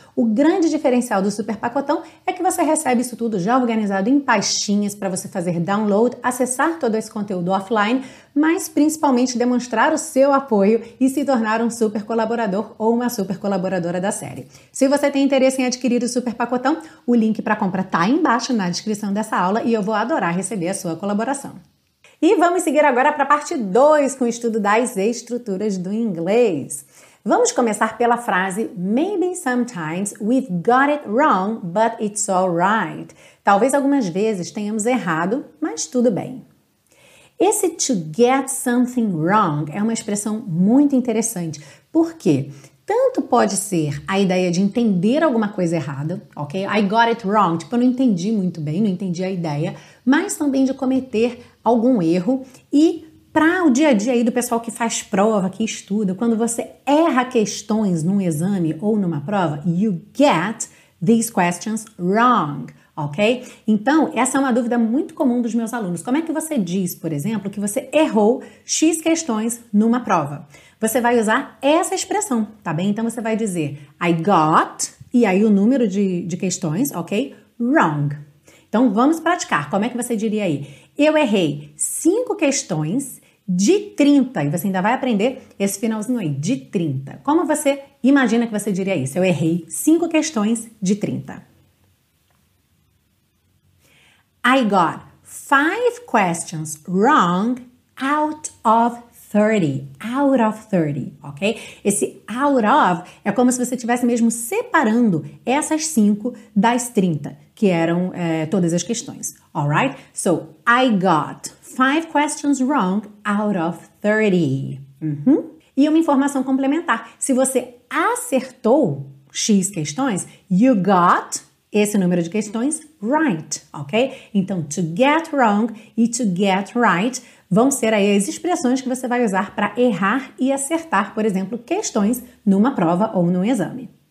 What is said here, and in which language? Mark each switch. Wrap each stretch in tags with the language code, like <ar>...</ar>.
<pt>O grande diferencial do Super Pacotão é que você recebe isso tudo já organizado em pastinhas para você fazer download, acessar todo esse conteúdo offline, mas principalmente demonstrar o seu apoio e se tornar um super colaborador ou uma super colaboradora da série. Se você tem interesse em adquirir o Super Pacotão, o link para compra está aí embaixo na descrição dessa aula e eu vou adorar receber a sua colaboração. E vamos seguir agora para a parte 2 com o estudo das estruturas do inglês. Vamos começar pela frase</pt> <en>Maybe sometimes we've got it wrong, but it's all right.</en> <pt>Talvez algumas vezes tenhamos errado, mas tudo bem. Esse to get something wrong é uma expressão muito interessante. Por quê? Tanto pode ser a ideia de entender alguma coisa errada, ok?</pt> <en>I got it wrong,</en> <pt>tipo, eu não entendi muito bem, não entendi a ideia, mas também de cometer algum erro. E para o dia a dia aí do pessoal que faz prova, que estuda, quando você erra questões num exame ou numa prova,</pt> <en>you get these questions wrong,</en> <pt>ok? Então, essa é uma dúvida muito comum dos meus alunos. Como é que você diz, por exemplo, que você errou X questões numa prova? Você vai usar essa expressão, tá bem? Então você vai dizer, I got, e aí o número de questões, ok? Wrong. Então vamos praticar. Como é que você diria aí? Eu errei 5 questões de 30. E você ainda vai aprender esse finalzinho aí, de 30. Como você imagina que você diria isso? Eu errei 5 questões de 30.</pt> <en>I got 5 questions wrong out of 30, out of 30, ok?</en> <pt>Esse out of é como se você estivesse mesmo separando essas 5 das 30, que eram todas as questões, alright?</pt> <en>So, I got 5 questions wrong out of 30. Uhum.</en> <pt>E uma informação complementar, se você acertou X questões, you got esse número de questões right, ok? Então, to get wrong e to get right vão ser aí as expressões que você vai usar para errar e acertar, por exemplo, questões numa prova ou num exame.</pt>